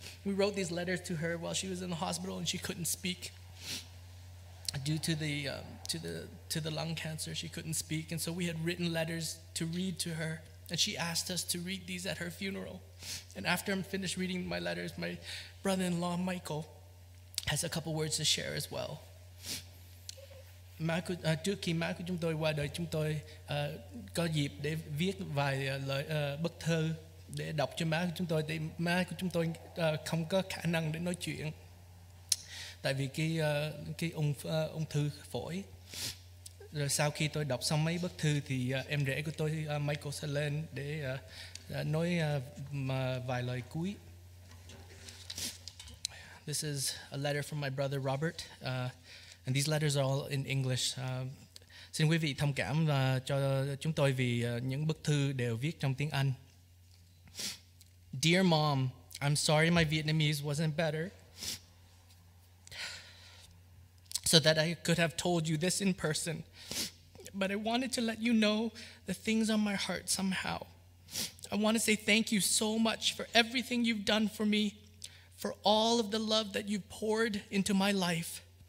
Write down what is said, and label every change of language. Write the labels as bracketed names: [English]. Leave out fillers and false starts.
[English] We wrote these letters to her while she was in the hospital and she couldn't speak due to the lung cancer. She couldn't speak, and so we had written letters to read to her, and she asked us to read these at her funeral. And after I'm finished reading my letters, my brother-in-law Michael has a couple words to share as well. [Vietnamese] Trước khi má của chúng tôi qua đời, chúng tôi có dịp để viết vài lời bức thư để đọc cho má của chúng tôi. Thì má của chúng tôi không có khả năng để nói chuyện tại vì cái ung thư phổi. Rồi sau khi tôi đọc xong mấy bức thư thì em rể của tôi Michael sẽ lên để nói vài lời cuối. [English] This is a letter from my brother Robert. And these letters are all in English. [Vietnamese] Xin quý vị thông cảm cho chúng tôi vì những bức thư đều viết trong tiếng Anh. [English] Dear Mom, I'm sorry my Vietnamese wasn't better so that I could have told you this in person. But I wanted to let you know the things on my heart somehow. I want to say thank you so much for everything you've done for me, for all of the love that you've poured into my life.